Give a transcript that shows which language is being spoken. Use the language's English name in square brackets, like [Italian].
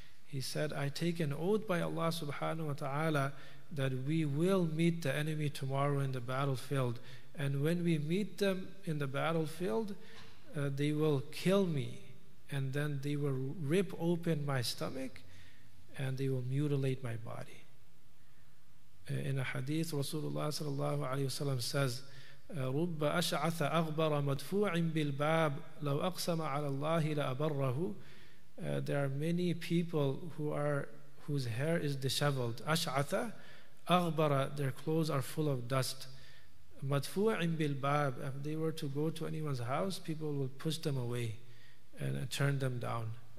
[English] He said, I take an oath by Allah subhanahu wa ta'ala that we will meet the enemy tomorrow in the battlefield. And when we meet them in the battlefield, they will kill me. And then they will rip open my stomach and they will mutilate my body. In a hadith, [Arabic] Rasulullah sallallahu alayhi wa sallam says, رب أشعث أغبر مدفوع بالباب لو أقسم على الله لأبره. [English] There are many people whose hair is disheveled. [Arabic] أشعث أغبر, [English] their clothes are full of dust. [Arabic] مدفوع بالباب, [English] if they were to go to anyone's house, people would push them away and turn them down.